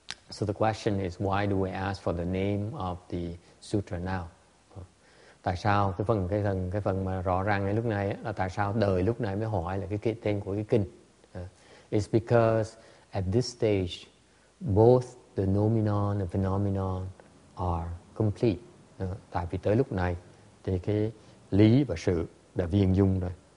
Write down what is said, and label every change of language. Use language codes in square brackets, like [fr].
[en] So the question is, why do we ask for the name of the sutra now? [vi] Tại sao cái phần mà rõ ràng ngay lúc này là tại sao đời lúc này mới hỏi là cái tên của cái kinh. [en] It's because at this stage both the nomenon and phenomenon are complete. [vi] Tại vì tới lúc này thì cái lý và sự đã viên dung rồi.